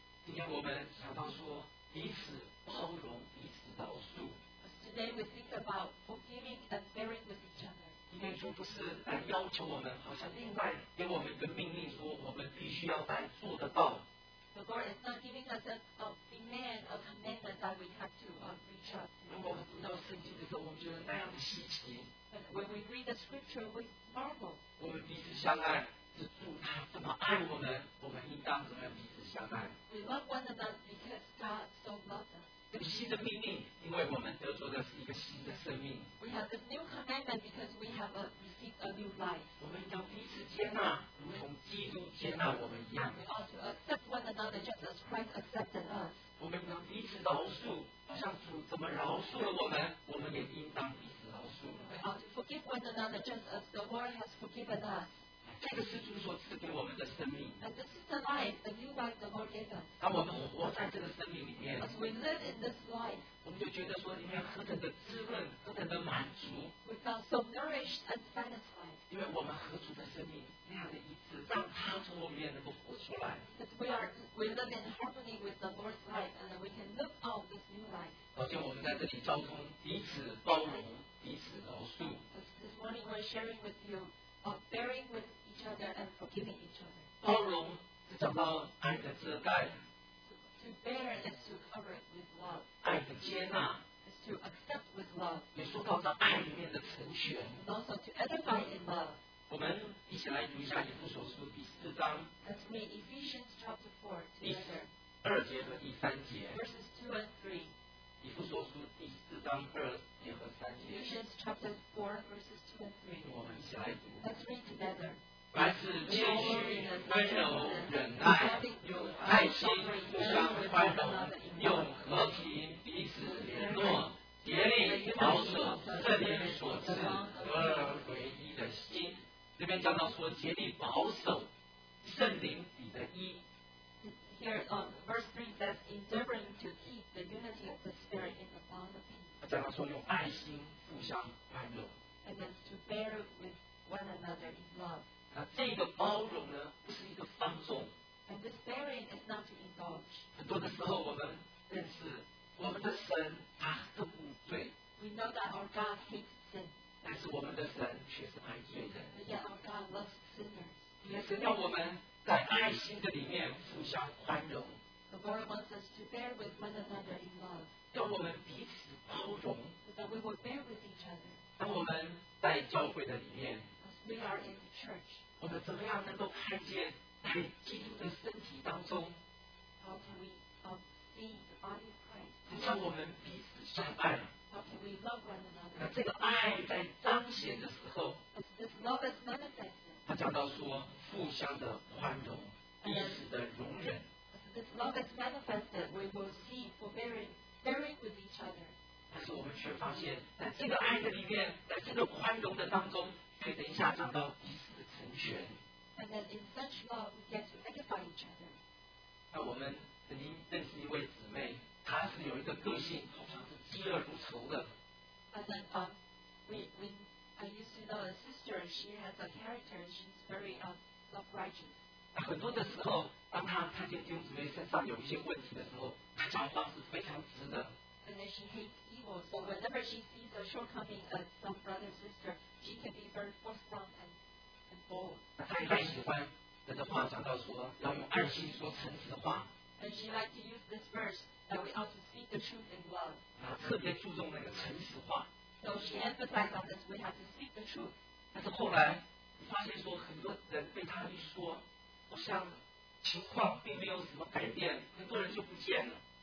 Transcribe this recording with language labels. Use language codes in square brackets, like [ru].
[zh] 今天我们想到说，彼此包容，彼此饶恕。 [en] Because today we think about forgiving and bearing with each other. [zh] 今天主不是来要求我们，好像另外给我们一个命令说，我们必须要来做得到。 [en] The Lord is not giving us a demand, a commandment that we have to reach out to. When we read the scripture, we marvel. [zh] 我们彼此相爱，是主他这么爱我们，我们应当怎么样彼此相爱。 [en] We love one another because God so loved us. [zh] 有新的命令，因为我们得着的是一个新的生命。 [en] We have this new commandment because we have received a new life. [zh] 我们要彼此接纳，如同基督接纳我们一样。 [en] We ought to accept one another just as Christ accepted us. [zh] 我们要彼此饶恕，像主怎么饶恕了我们，我们也应当彼此饶恕。 [en] We ought to forgive one another just as the Lord has forgiven us. [zh] 这个是主所赐给我们的生命。 [en] And this is the life, the new life the Lord gave us. [zh] 当我们活在这个生命里面 [en] ，As we live in this life, [zh] 我们就觉得说里面何等的滋润，何等的满足。 [en] We felt so nourished and satisfied. [zh] 因为我们和主的生命那样的一致，让他从我们里面能够活出来。 [en] That we live in harmony with the Lord's life, and that we can live out this new life. [zh] 好像我们在这里交通，彼此包容，彼此饶恕。 [en] This morning we're sharing with you. Bearing with each other and forgiving each other. [zh] 包容是讲到爱的遮盖。 [en] To bear is to cover it with love. [zh] 爱的接纳。 [en] Is to accept with love. [zh] 也说到了爱里面的成全。 [en] And also to edify in love. [zh] 我们一起来读一下以弗所书第四章。 [en] Let's read Ephesians chapter 4 together. [zh] 二节和第三节。 [en] Verses 2 and 3. [zh] 以弗所书第四章二节和三节。 [en] Ephesians chapter 4 verses 2 and 3. [zh] 我们一起来读。 [en] Let's read together. [zh] 凡事谦虚、温柔、忍耐、有爱心、互相宽容、用和平彼此联络、竭力保守圣灵所赐合而为一的心。这边讲到说竭力保守圣灵里的一。 [en] Here, verse 3 says, endeavoring to keep the unity of the Spirit in the bond of peace. [zh] 讲到说用爱心互相宽容。 [en] And then to bear with one another in love. [zh] 那这个包容呢，不是一个放纵。 [en] And this bearing is not to indulge. [zh] 很多的时候，我们认识我们的神，他恨罪。 [en] We know that our God hates sin. [zh] 但是我们的神却是爱罪的。 [en] But yet our God loves sinners. [zh] 也是要我们在爱心的里面互相宽容。 [en] The Lord wants us to bear with one another in love. [zh] 要我们彼此包容。 [en] So that we will bear with each other. [zh] 当我们在教会的里面 [en] we are in the church, [zh] 我们怎么样能够看见在基督的身体当中 [en] how can we, see the body of Christ? [zh] 很像我们彼此相爱 [en] how can we love one another? [zh] 那这个爱在彰显的时候 [en] as this love is manifested, [zh] 他讲到说互相的宽容彼此的容忍 [en] as this love is manifested, we will see forbearing with each other. [zh] 但是我们却发现在这个爱的里面在这个宽容的当中可以等一下讲到彼此的成全 [en] And then in such love we get to edify each other [zh] 那我们曾经认识一位姊妹她是有一个个性好像是嫉恶如仇的 [en] And then I used to know a sister she has a character she's very self-righteous [zh] 很多的时候当她看见弟兄姊妹身上有一些问题的时候她讲话是非常直的 [en] And then she hatesSo whenever she sees a shortcoming of some brother or sister, she can be very forthright and bold. [zh] 她也喜欢这个话讲到说要用爱心说诚实的话。 [en] And she likes to use this verse that we ought to speak the truth in love. [zh] 她特别注重那个诚实话。 [en] So she emphasizes on this, we have to speak the truth. [zh] 但是后来发现说很多人被她一说，好像情况并没有什么改变，很多人就不见了。